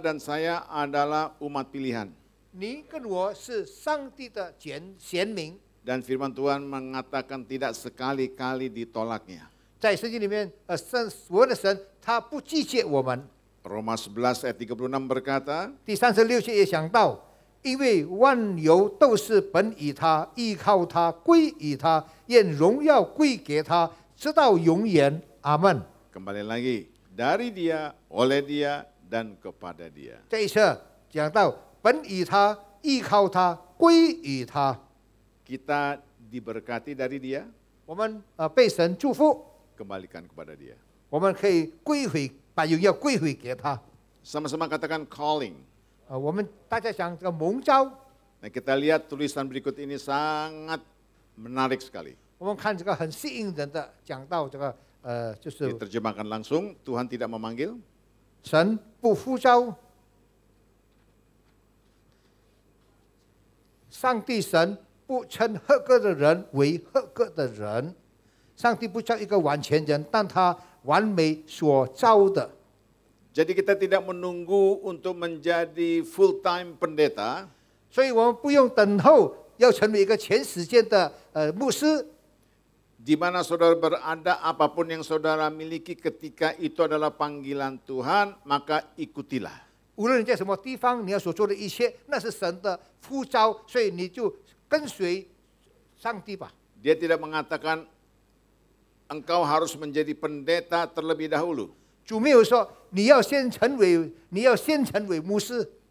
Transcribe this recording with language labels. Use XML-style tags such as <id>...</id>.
<id>dan saya adalah umat pilihan。</id> <zh>你跟我是上帝的拣选民。</zh> <id>Dan firman Tuhan mengatakan tidak sekali-kali ditolaknya.</id> <zh>在圣经里面, 神, 我的神, 他不拒绝我们。</zh> <id>Roma 11 ayat 36 berkata,</id> <zh>第36节也想到, 因为万有都是本以他, 依靠他, 归以他, 愿荣耀归给他, 直到永远, Amen.</zh> <id>Kembali lagi, dari dia, oleh dia, dan kepada dia.</id> <zh>这一次讲到, 本以他, 依靠他, 归以他。</zh> <id>Kita diberkati dari dia,</id> <zh>我们, 被神祝福,</zh> <id>kembalikan kepada dia.</id> <zh>我们可以归回, 把荣耀归回给他。</zh> <id>Sama-sama katakan calling.</id> <zh>我们大家讲这个蒙召。</zh> <id>Nah, kita lihat tulisan berikut ini sangat menarik sekali.</id> <zh>我们看这个很吸引人的讲到这个, 就是,</zh> <id>diterjemahkan langsung, Tuhan tidak memanggil.</id> <zh>神不呼召。上帝神不称合格的人为合格的人。上帝不叫一个完全人，但他完美所造的。</zh> <id>Jadi kita tidak menunggu untuk menjadi full time pendeta.</id> <zh>所以我们不用等候要成为一个全时间的牧师。</zh> <id>Di mana saudara berada, apapun yang saudara miliki ketika itu adalah panggilan Tuhan, maka ikutilah.</id> <zh>无论你在什么地方，你要所做的一切，那是神的呼召，所以你就跟随上帝吧。</zh> <id>Dia tidak mengatakan engkau harus menjadi pendeta terlebih dahulu. Cuma dia berkata,</id> <zh>你要先成为牧师。</zh>